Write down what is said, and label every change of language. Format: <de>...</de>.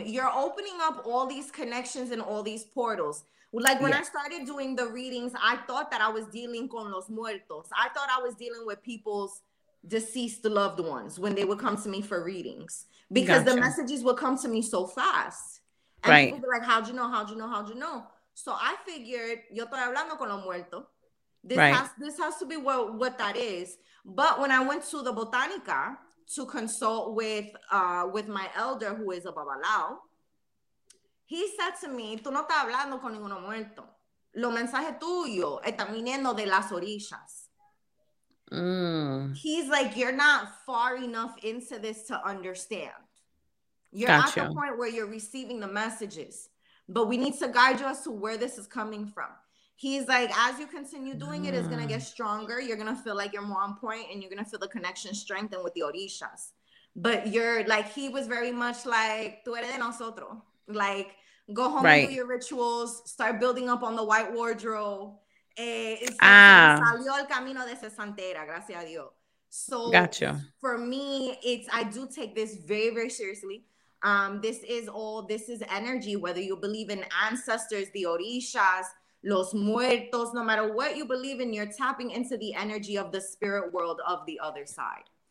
<en>You're opening up all these connections and all these portals. Like when I started doing the readings, I thought that I was dealing</en> <es>con los muertos.</es> <en>I thought I was dealing with people's deceased loved ones when they would come to me for readings. Because the messages would come to me so fast. And people would be like, how'd you know? So I figured,</en> <es>yo estoy hablando con los muertos.</es> <en>This has to be what that is. But when I went to the botanica to consult with my elder, who is a babalao, he said to me,</en> <es>tú no estás hablando con ninguno muerto. Lo mensaje tuyo está viniendo de las orillas.</es> <en>He's like, you're not far enough into this to understand. You're at the point where you're receiving the messages. But we need to guide you as to where this is coming from. He's like, as you continue doing it, it's going to get stronger. You're going to feel like you're more on point and you're going to feel the connection strengthen with the orishas. But you're like, he was very much like,</en> <es>tú eres de nosotros.</es> <en>Like, go home and do your rituals. Start building up on the white wardrobe.</en> <es>Salió el camino de cesantera, gracias a Dios.</es> <en>So for me, I do take this very, very seriously. This is energy, whether you believe in ancestors, the orishas,</en> <es>los muertos,</es> <en>no matter what you believe in, you're tapping into the energy of the spirit world of the other side.</en>